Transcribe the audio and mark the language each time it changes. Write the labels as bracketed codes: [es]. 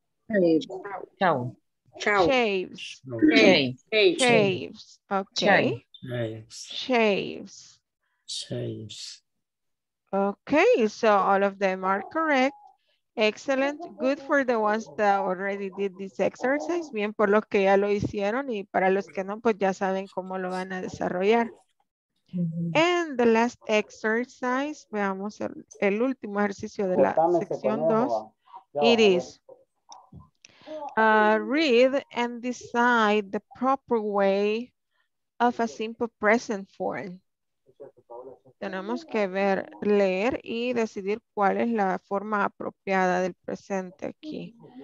[en] Shaves. Okay, so all of them are correct. Excellent. Good for the ones that already did this exercise. [es] Bien por los que ya lo hicieron y para los que no, pues ya saben cómo lo van a desarrollar. [en] And the last exercise, [es] veamos el último ejercicio de la sección 2. [en] It is read and decide the proper way of a simple present form. [es] Tenemos que ver, leer y decidir cuál es la forma apropiada del presente aquí.